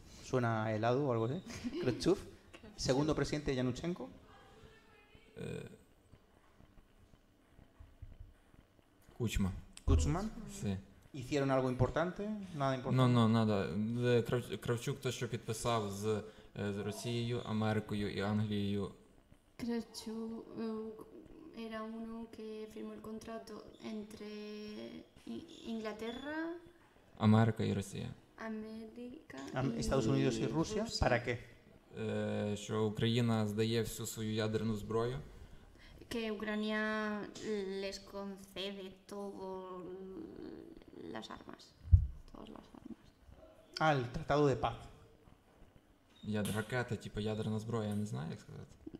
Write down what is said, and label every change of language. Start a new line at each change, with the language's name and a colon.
Spanish: Suena a helado o algo así. Kravchuk. Segundo presidente Yanuchenko. Kuchma. Kuchma. Sí. Hicieron algo importante, nada importante. No, nada.
Ukrainian: Кравчук то, що підписав з Росією, Америкою і Англією.
Spanish: Кравчук era uno que firmó el contrato entre Inglaterra, América y Rusia. América. Estados Unidos y Rusia, ¿para qué?
Ukrainian: Що Україна здає всю свою ядерну зброю.
Spanish: Que Ucrania les concede todo las armas, todas las armas. Ah, el tratado de paz.
Ukrainian: Ядракета, типа ядерна зброя, не знаю, як сказати.